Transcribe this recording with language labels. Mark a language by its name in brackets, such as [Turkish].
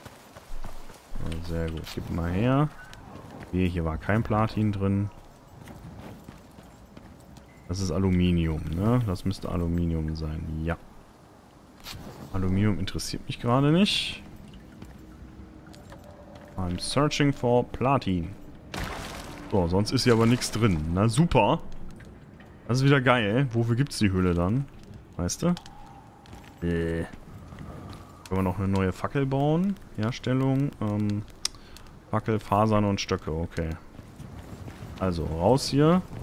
[German] Ja, sehr gut. Gib mal her. Nee, hier war kein Platin drin. Das ist Aluminium, ne? Das müsste Aluminium sein. Ja. Aluminium interessiert mich gerade nicht. [English] I'm searching for Platin. [German] So, sonst ist hier aber nichts drin. Na super. Das ist wieder geil. Wofür gibt es die Höhle dann? Weißt du? Können wir noch eine neue Fackel bauen? Herstellung. Fackel, Fasern und Stöcke. Okay. Also, raus hier.